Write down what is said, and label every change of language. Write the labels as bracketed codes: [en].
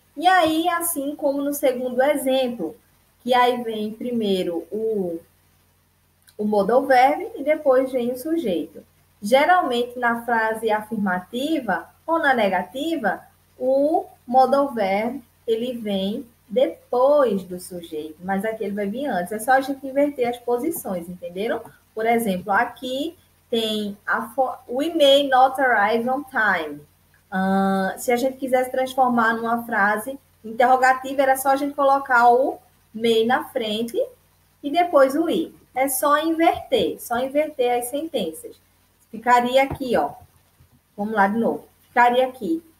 [pt] E aí, assim como no segundo exemplo, que aí vem primeiro o modal verbo e depois vem o sujeito. Geralmente, na frase afirmativa ou na negativa, o modal verbo ele vem depois do sujeito, mas aqui ele vai vir antes. É só a gente inverter as posições, entenderam? Por exemplo, aqui Tem a [en] we may not arrive on time. [pt] Se a gente quisesse transformar numa frase interrogativa, era só a gente colocar o may na frente e depois o we. É só inverter as sentenças. Ficaria aqui, ó. Vamos lá de novo. Ficaria aqui.